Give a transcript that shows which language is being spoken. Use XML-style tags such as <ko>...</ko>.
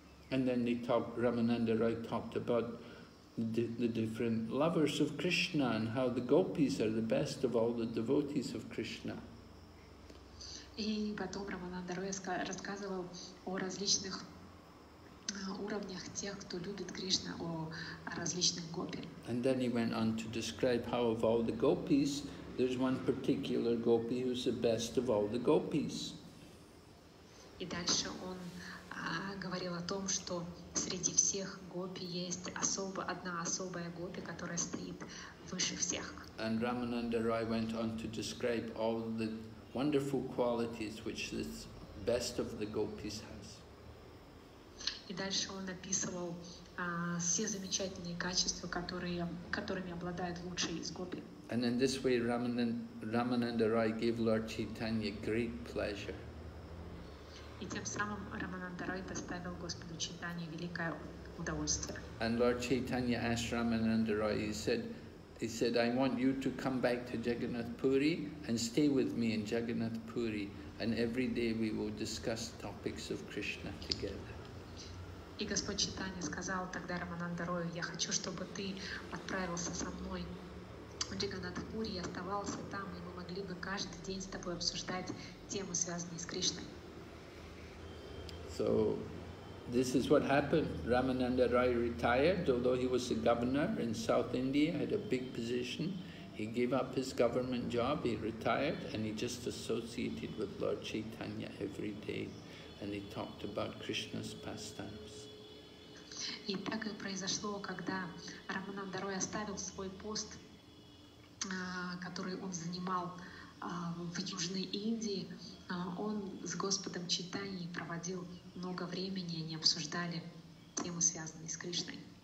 <en>And then they talk, Ramananda Rai talked about the different lovers of Krishna and how the gopis are the best of all the devotees of Krishna.</en> <ru>И потом Рамананда Рай рассказывал о различных уровнях тех, кто любит Кришну, о различных гопи.</ru> <en>And then he went on to describe how of all the gopis, there's one particular gopi who's the best of all the gopis.</en> <ru>И дальше он говорил о том, что среди всех гопи есть одна особая гопи, которая стоит выше всех.</ru> <en>And Рамананда Рай went on to describe all the wonderful qualities which this best of the gopis has.</en> <ru>И дальше он описывал все замечательные качества, которыми обладает лучший из гопи.</ru> <en>And in this way, Ramananda Rai gave Lord Chaitanya great pleasure.</en> <ru>И тем самым Рамананда Рай доставил Господу Чайтанье великое удовольствие.</ru> <en>And Lord Chaitanya asked Ramananda Rai, he said, I want you to come back to Jagannath Puri and stay with me in Jagannath Puri, and every day we will discuss topics of Krishna together.</en> <ru>И Господь Чайтанья сказал тогда Рамананда Раю, я хочу, чтобы ты отправился со мной в Джаганнат Пури и оставался там, и мы могли бы каждый день с тобой обсуждать темы, связанные с Кришной.</ru> <en>So, this is what happened. Ramananda Rai retired, although he was the governor in South India, had a big position. He gave up his government job, he retired, and he just associated with Lord Chaitanya every day. And he talked about Krishna's pastimes.</en> <ru>И так и произошло, когда Рамананда Рай оставил свой пост, который он занимал в Южной Индии. Он с Господом Чайтаньей проводил много времени, они обсуждали темы, связанные с Кришной.</ru>